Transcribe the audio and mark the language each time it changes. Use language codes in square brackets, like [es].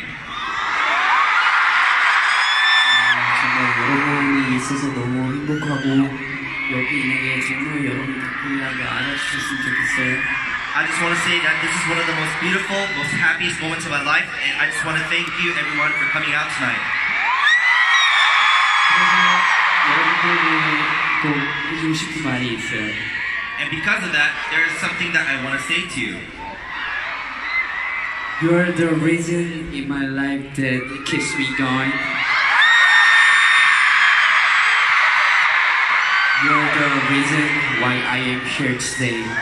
[ko] 정말 여러분이 있어서 너무 행복하고 여기 있는 게 정말 여러분 덕분이라고 알아주셨으면 좋겠어요. [en] I just want to say that this is one of the most beautiful, most happiest moments of my life, and I just want to thank you, everyone, for coming out tonight. [ko] 여러분들에게 꼭 해주고 싶은 말이 있어요. [en] And because of that, there is something that I want to say to you. You're the reason in my life that keeps me going. You're the reason why I am here today.